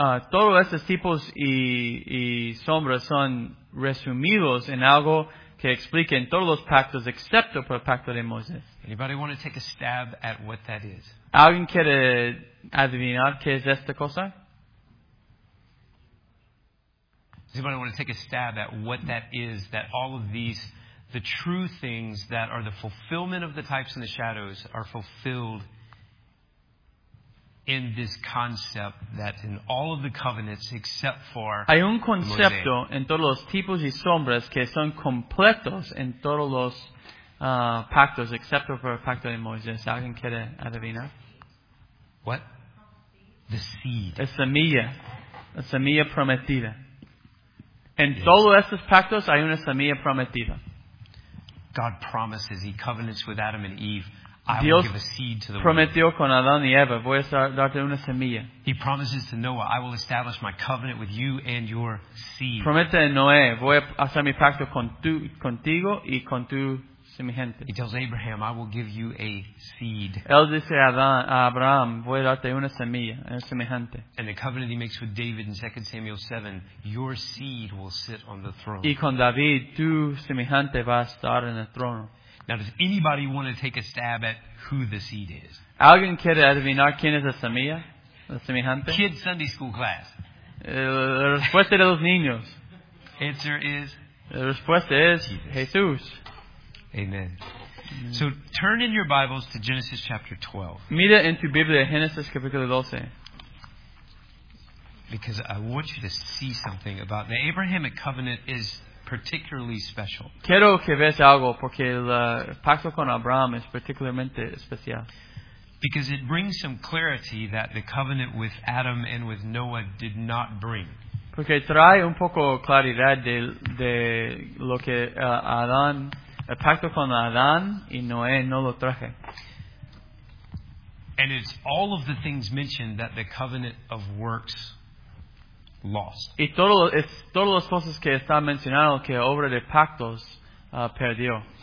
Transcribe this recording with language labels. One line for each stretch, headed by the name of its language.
Spanish: Todos estos tipos y sombras son resumidos en algo que explica en todos los pactos excepto por el pacto de Moisés.
English: Anybody want to take a stab at what that is?
Spanish: ¿Alguien quiere adivinar qué es esta cosa?
English: Does anybody want to take a stab at what that is, that all of these, the true things that are the fulfillment of the types and the shadows are fulfilled in this concept that in all of the covenants except for Mosaic.
Spanish: Hay un concepto en todos los tipos y sombras que son completos en todos los pactos, excepto por el pacto de Moisés. ¿Alguien quiere adivinar?
English: What? The seed.
Spanish: La semilla prometida. En todos estos pactos hay una semilla prometida.
English: God promises, he covenants with Adam and Eve,
Spanish: Dios
English: will give a seed to the
Spanish: prometió
English: world.
Spanish: Con Adán y Eva, voy a darte una semilla.
English: He promises to Noah, I will establish my covenant with you and your seed.
Spanish: Promete a Noé, voy a hacer mi pacto contigo y con tu semejante.
English: He tells Abraham, I will give you a seed.
Spanish: Él dice a Abraham, voy a darte una semilla, una semejante.
English: And the covenant he makes with David in 2 Samuel 7, your seed will sit on the throne.
Spanish: Y con David, tu semejante va a estar en el trono.
English: Now, does anybody want to take a stab at who the seed is?
Spanish: ¿Alguien quiere adivinar quién es la semilla, la semejante?
English: Kids Sunday school class.
Spanish: La respuesta de los niños.
English: Answer is.
Spanish: La respuesta es Jesús.
English: Amen. So turn in your Bibles to Genesis chapter 12.
Spanish: Mira en tu Biblia Génesis capítulo 12.
English: Because I want you to see something about the Abrahamic covenant is particularly special.
Spanish: Quiero que veas algo porque el pacto con Abraham es particularmente especial.
English: Because it brings some clarity that the covenant with Adam and with Noah did not bring.
Spanish: Porque trae un poco claridad de lo que Adán. El pacto con Adán y Noé no lo traje.
English: And it's all of the things mentioned that the covenant of works lost.
Spanish: Y todas las cosas que está mencionado que obra de pactos perdió.